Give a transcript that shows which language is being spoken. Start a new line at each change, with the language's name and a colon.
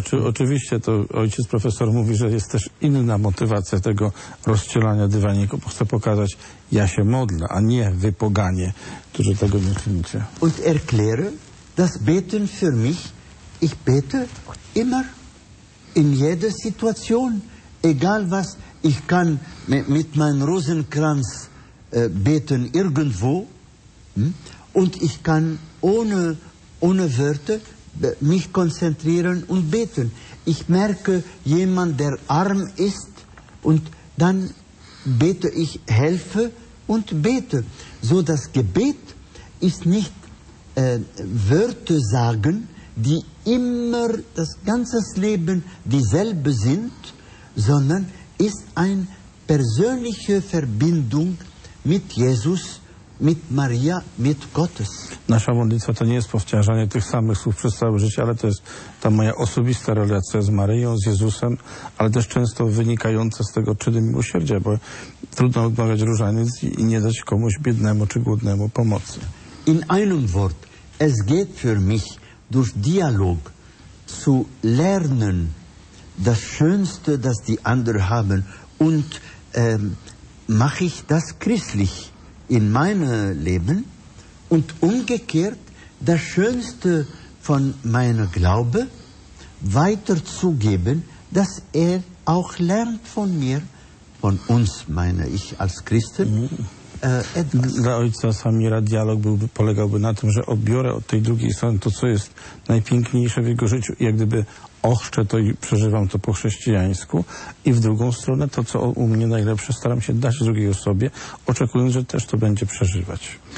Polish: Oczywiście to ojciec profesor mówi, że jest też inna motywacja tego rozcielania dywaniku, bo chcę pokazać, ja się modlę, a nie wy poganie, którzy tego nie czynicie.
German: Und erkläre, dass beten für mich, ich bete immer, in jeder Situation, egal was, ich kann mit meinem Rosenkranz beten irgendwo, und ich kann ohne Wörter mich konzentrieren und beten. Ich merke jemand, der arm ist, und dann bete ich, helfe und bete. So, das Gebet ist nicht Wörter sagen, die immer das ganze Leben dieselbe sind, sondern ist eine persönliche Verbindung mit Jesus, mit Maria, mit Gottes.
Polish: Nasza modlitwa to nie jest powtarzanie tych samych słów przez całe życie, ale to jest ta moja osobista relacja z Maryją, z Jezusem, ale też często wynikające z tego czyny miłosierdzia, bo trudno odmawiać różaniec i nie dać komuś biednemu czy głodnemu pomocy.
German: In einem Wort, es geht für mich durch Dialog zu lernen das Schönste, das die anderen haben, und mache ich das christlich in meinem Leben, und umgekehrt das Schönste von meinem Glaube weiterzugeben, dass auch lernt von mir, von uns, meine ich als Christen.
Polish: Dla ojca Samira dialog polegałby na tym, że obiorę od tej drugiej strony to, co jest najpiękniejsze w jego życiu, i jak gdyby ochrzczę to i przeżywam to po chrześcijańsku, i w drugą stronę to, co u mnie najlepsze, staram się dać drugiej osobie, oczekując, że też to będzie przeżywać.